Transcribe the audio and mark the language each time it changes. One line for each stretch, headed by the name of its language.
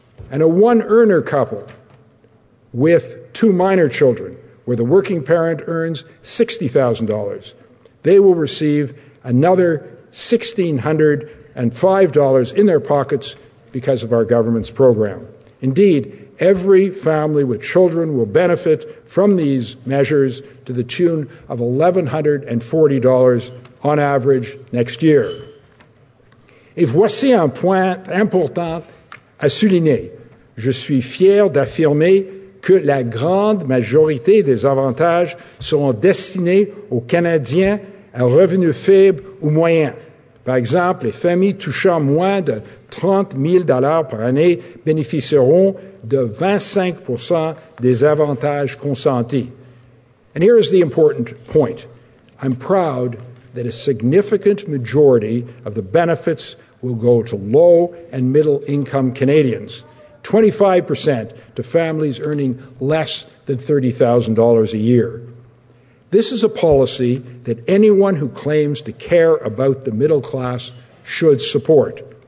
English: And a one-earner couple with two minor children, where the working parent earns $60,000, they will receive another $1,605 in their pockets because of our government's program. Indeed, every family with children will benefit from these measures to the tune of $1,140 on average next year.
French: Et voici un point important à souligner. Je suis fier d'affirmer que la grande majorité des avantages seront destinés aux Canadiens à revenus faibles ou moyens. Par exemple, les familles touchant moins de 30 000 $ par année bénéficieront de 25% des avantages consentis.
English: And here is the important point. I'm proud that a significant majority of the benefits will go to low and middle income Canadians, 25% to families earning less than $30,000 a year. This is a policy that anyone who claims to care about the middle class should support.